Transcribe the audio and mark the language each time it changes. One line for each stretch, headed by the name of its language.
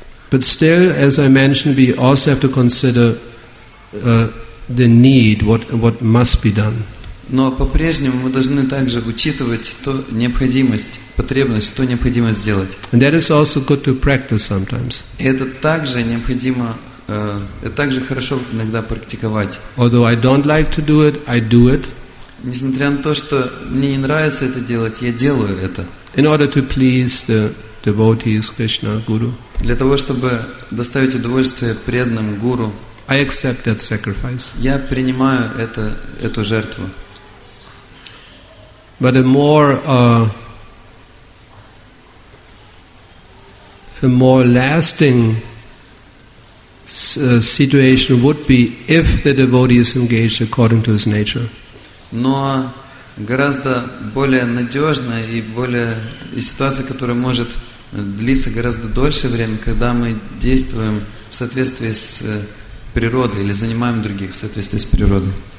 English: But still, as I mentioned, we also have to consider the need, what must be done.
Russian: Но по-прежнему мы должны также учитывать ту необходимость, потребность, что необходимо сделать.
English: And that is also good to practice sometimes.
Russian: Это также необходимо, это также хорошо иногда практиковать.
English: Although I don't like to do it, I do it.
Russian: Несмотря на то, что мне не нравится это делать, я делаю это.
English: In order to please the devotees, Krishna, Guru.
Russian: Для того, чтобы доставить удовольствие преданным Гуру.
English: I accept that sacrifice.
Russian: Я принимаю это, эту жертву.
English: But a more lasting situation would be if the devotee is engaged according to his nature.
Russian: Но гораздо более надежная и более и ситуация, которая может длиться гораздо дольше время, когда мы действуем в соответствии с природы или занимаем других в соответствии с природой.